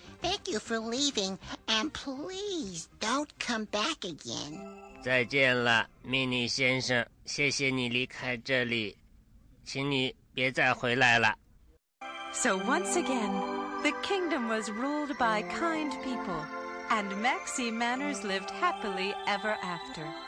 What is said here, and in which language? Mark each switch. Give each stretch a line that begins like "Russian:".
English: Thank you for leaving, and please don't come back again.
Chinese: 再见了,Meanie先生,谢谢你离开这里,请你别再回来了。So
English: once again, the kingdom was ruled by kind people, and Maxie Manners lived happily ever after.